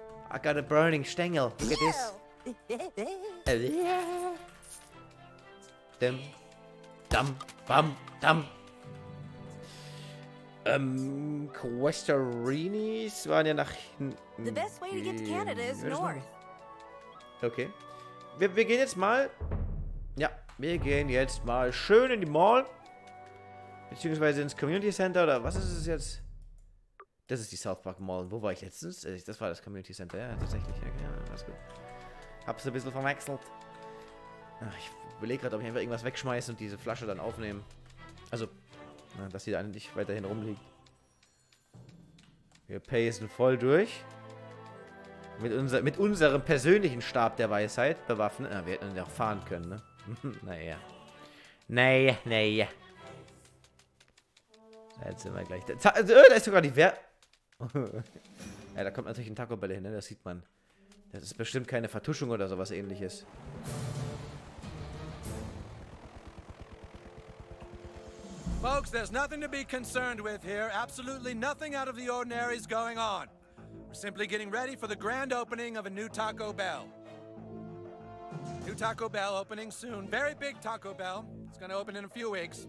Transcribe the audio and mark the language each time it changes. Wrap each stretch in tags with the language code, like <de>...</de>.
<en>I got a burning Stängel. Look at this. Dum, dum, bam, dum.</en> <de>Questerinis waren ja nach hinten.</de> <en>The best way to get to Canada is north.</en> <de>Okay. Wir gehen jetzt mal. Ja, wir gehen jetzt mal schön in die Mall. Beziehungsweise ins Community Center oder was ist es jetzt? Das ist die South Park Mall. Wo war ich letztens? Das war das Community Center, ja, tatsächlich. Ja, okay, alles gut. Hab's ein bisschen verwechselt. Ach, ich überlege gerade, ob ich einfach irgendwas wegschmeiße und diese Flasche dann aufnehme. Also, na, dass sie da nicht weiterhin rumliegt. Wir pacen voll durch. Mit unserem persönlichen Stab der Weisheit bewaffnet. Na, wir hätten ja auch fahren können, ne? Naja. Nee, nee. Jetzt sind wir gleich da. Da ist sogar die Wer. Ja, da kommt natürlich ein Taco Bell hin, ne? Das sieht man. Das ist bestimmt keine Vertuschung oder sowas ähnliches.</de> <en>Folks, there's nothing to be concerned with here. Absolutely nothing out of the ordinary is going on. We're simply getting ready for the grand opening of a new Taco Bell. New Taco Bell opening soon. Very big Taco Bell. It's going to open in a few weeks.</en>